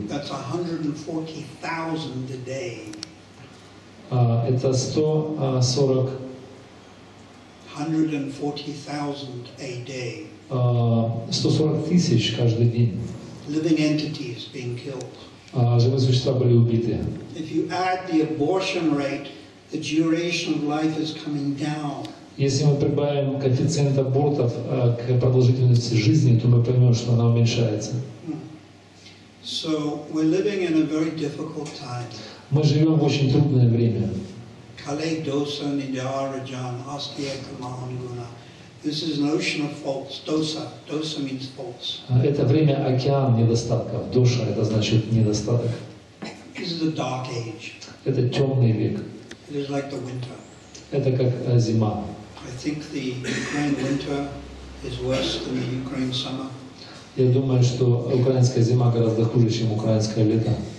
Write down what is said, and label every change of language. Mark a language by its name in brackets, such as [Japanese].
[English] That's 140,000 a day. [Russian] Это 140. [English] 140,000 a day. [Russian] 140 тысяч каждый день. [English] Living entities being killed. [Russian] Живые существа были убиты. [English] If you add the abortion rate, the duration of life is coming down. [Russian] Если мы прибавим коэффициент абортов к продолжительности жизни, то мы поймем, что она уменьшается. [English] So we're living in a very difficult time. [Russian] Мы живем в очень трудное время. [Sanskrit] Kale dosa nidya rajan astya kamahanguna. [English] This is an ocean of faults. Dosa. Dosa means faults. [Russian] Это время океан недостатков. Доша это значит недостаток. [English] This is a dark age. [Russian] Это темный век. [English] It is like the winter. [Russian] Это как зима. [English] I think the Ukraine winter is worse than the Ukraine summer. [Russian] Я думаю, что украинская зима гораздо хуже, чем украинское лето.